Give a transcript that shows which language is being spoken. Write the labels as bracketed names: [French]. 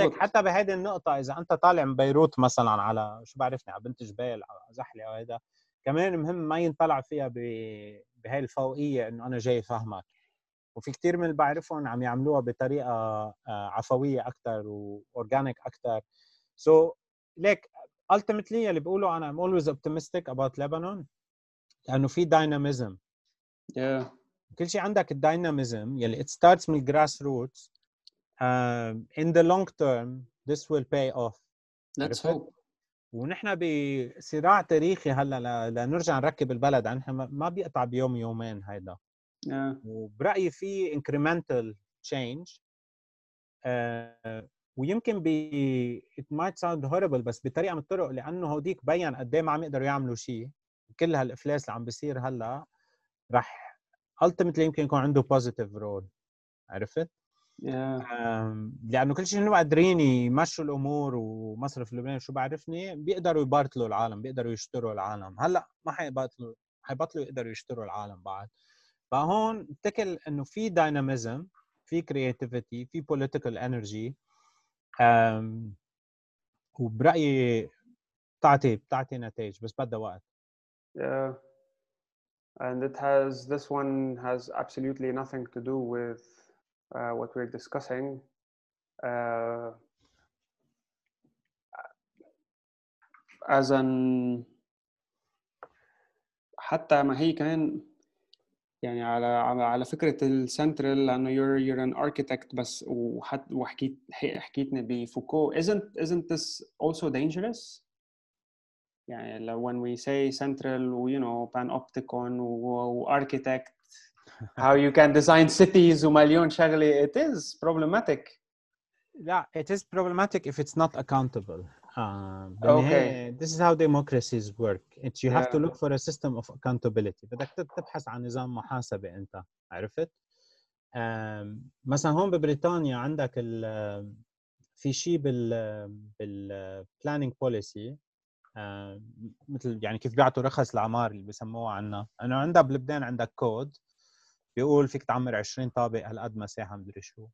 [Arabic] بس ليك حتى بهذه النقطه اذا انت طالع من بيروت مثلا على شو بعرفني عم بنتج بيل او زحله او هذا كمان مهم ما ينطلع فيها بهي الفوقيه انه انا جاي فهمك. وفي كتير من اللي بعرفهم عم يعملوها بطريقه عفويه اكثر واورجانيك اكثر. [English] So like ultimately [Arabic] اللي بقوله أنا [English] I'm always optimistic about Lebanon [Arabic] لأنه في [English] dynamism. Yeah. [Arabic] كل شيء عندك dynamism يلي [English] it starts [Arabic] من grassroots. [English] In the long term this will pay off. Let's hope. [Arabic] ونحن بصراع تاريخي هلا لنرجع نركب البلد، عنها ما بيقطع بيوم يومين هيدا. [English] Yeah. [Arabic] وبرأيي في incremental change. ويمكن بي [English] it might sound horrible [Arabic] بس بطريقة من الطرق، لأنه هوديك بيّن قديه ما عم يقدروا يعملوا شيء، كل هالإفلاس اللي عم بيصير هلأ رح ultimately يمكن يكون عنده positive role، عرفت؟ لأنه كل شيء هنو قادرين يمشوا الأمور ومصرف لبنان شو بعرفني بيقدروا يبطلوا العالم، بيقدروا يشتروا العالم. هلأ ما حيبطلوا، حيبطلوا يقدروا يشتروا العالم بعد. فهون تكل أنه في dynamism، في creativity، في political energy. وبرأيي بتعطي نتائج بس بدها وقت. [English] Yeah. And it has, this one has absolutely nothing to do with what we're discussing. [Arabic] As an حتى ما هي كان يعني على على فكرة السنترال، لأنه [English] you're an architect [Arabic] بس، وحد حكيتني بفوكو. [English] isn't this also dangerous؟ [Arabic] يعني لو [English] when we say central و you know panopticon و architect how you can design cities [Arabic] ومليون شغلة، [English] it is problematic. [Arabic] لا [English] it is problematic if it's not accountable. Okay. This is how democracies work. It's you have to look for a system of accountability. [Arabic] بدك تبحث عن نظام محاسبة أنت، عرفت؟ مثلا هون ببريطانيا عندك ال في شيء بال planning policy، مثل يعني كيف بيعطوا رخص العمار اللي بسموه عنا. أنا عندها بلبنان عندك كود بيقول فيك تعمر 20 طابق هالقد مساحة مدري شو.